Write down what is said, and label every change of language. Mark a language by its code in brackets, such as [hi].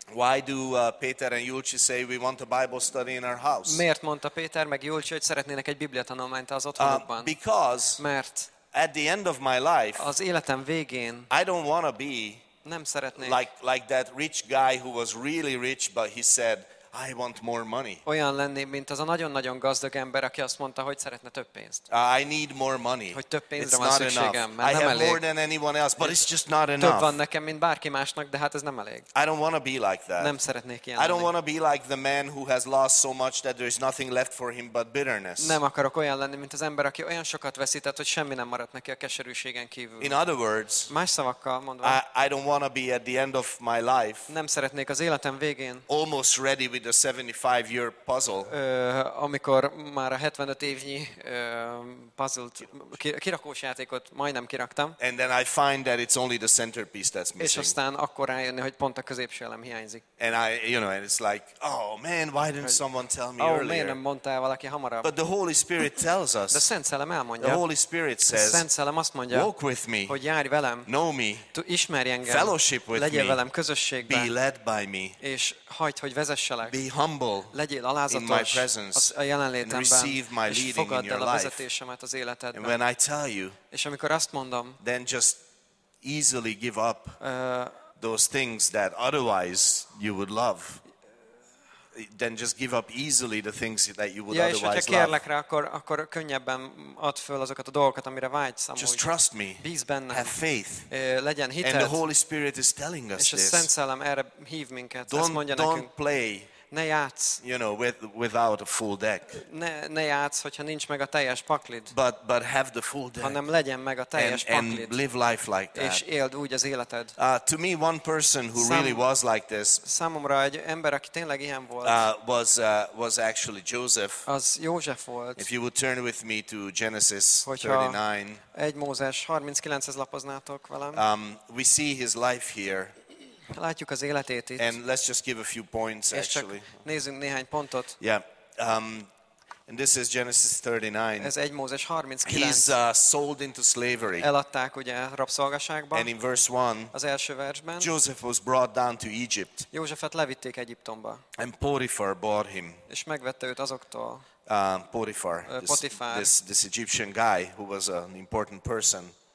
[en] Why do Peter and Julcsi say we want a Bible study in our house? [hu] Miért mondta Péter meg Julcsi, hogy szeretnének egy Biblia tanulmányt az otthonukban? [en] Because [hu] mert [en] at the end of my life, [hu] az életem végén, [en] I don't want to be [hu] nem szeretnék [en] like that rich guy who was really rich, but he said, I want more money. [hu] Olyan lenni, mint az a nagyon-nagyon gazdag ember, aki azt mondta, hogy szeretne több pénzt. [en] I need more money. [hu] Hogy több pénzre van szükségem, mert nem elég. [en] I have more than anyone else, but it's just not enough. [hu] Több van nekem, mint bárki másnak, de hát ez nem elég. [en] I don't want to be like that. [hu] Nem szeretnék ilyen. [en] I don't want to be like the man who has lost so much that there is nothing left for him but bitterness. [hu] Nem akarok olyan lenni, mint az ember, aki olyan sokat veszített, hogy semmi nem maradt neki a keserűségen kívül. [en] In other words, [hu] más szavakkal mondva, [en] I don't want to be at the end of my life. [hu] Nem szeretnék az életem végén [en] almost ready with the 75 year puzzle. [hu] Amikor már a 75 évnyi puzzle-t, kirakós játékot majdnem kiraktam. [en] And then I find that it's only the centerpiece that's missing. [hu] És aztán akkor rájönni, hogy pont a középső elem hiányzik. [en] And I, you know, and it's like, oh man, why didn't someone tell me earlier? [hu] Miért nem mondta valaki hamarabb? [en] But the Holy Spirit tells us. [hu] De Szent Szellem elmondja. [en] The Holy Spirit says. [hu] Szent Szellem azt mondja. [en] Walk with me. [hu] Hogy járj velem. [en] Know me. [hu] Ismerj engem. [en] Fellowship with me. [hu] Legyél velem közösségben. [en] Be led by me. [hu] És hagyd, hogy vezesselek. [en] Be humble. [hu] Legyél alázatos. [en] In my presence. [hu] A jelenlétemben. [en] And receive my leading in your life. [hu] És fogadd el a vezetésemet az életedben. [en] And when I tell you. [hu] És amikor azt mondom. [en] Then just easily give up those things that otherwise you would love. Then just give up easily the things that you would ja, otherwise love. [hu] Ja, és ha kérlek rá, akkor könnyebben add föl azokat a dolgokat, amire vágysz. [en] Just trust me. [hu] Bíz bennem. [en] Have faith. [hu] Legyen hited. [en] And the Holy Spirit is telling us this. [hu] És a Szent Szellem erre hív minket. [en] Don't, [hu] mondja [en] don't [hu] nekünk, [en] play. [hu] Ne játsz. [en] You know, without a full deck. [hu] Ne játsz, hogyha nincs meg a teljes paklid. [en] But have the full deck. [hu] Hanem legyen meg a teljes paklid. [en] And live life like that. [hu] És éld úgy az életed. [en] To me, one person who really was like this. [hu] Számomra egy ember, aki tényleg ilyen volt. [en] Was actually Joseph. [hu] Az József volt. [en] If you would turn with me to Genesis 39. [hu] Egy Mózes 39-hez lapoznátok velem. [en] We see his life here. [hu] Látjuk az életét itt. [en] And let's just give a few points actually. [hu] Nézzünk néhány pontot. [en] Yeah. And this is Genesis 39. [hu] Ez egy Mózes 39. [en] He's sold into slavery. [hu] Eladták ugye rabszolgaságba. [en] And in verse 1. [hu] Az első versben. [en] Joseph was brought down to Egypt. [hu] Józsefet levitték Egyiptomba. [en] And Potiphar bought him. [hu] És megvette őt azoktól. [en] Potiphar. This Egyptian guy who was an important person.